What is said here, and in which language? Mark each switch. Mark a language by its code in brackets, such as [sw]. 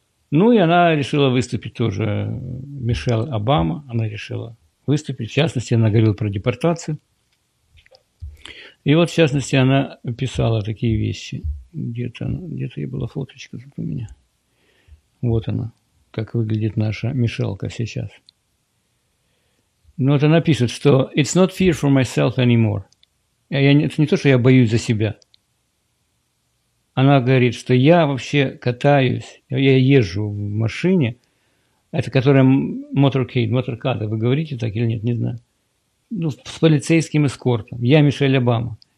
[ru] Ну и она решила выступить тоже, Мишель Обама, она решила выступить. В частности, она говорила про депортацию. И вот, в частности, она писала такие вещи. Где-то ей была фоточка тут у меня. Вот она, как выглядит наша Мишелка сейчас. Ну вот она пишет, что [en] «It's not fear for myself anymore». [ru] Это не то, что я боюсь за себя. Она говорит, что я вообще катаюсь, я езжу в машине, это которая motorcade, motorcade, вы говорите так или нет, не знаю, ну, с полицейским эскортом. Я Мишель Обама.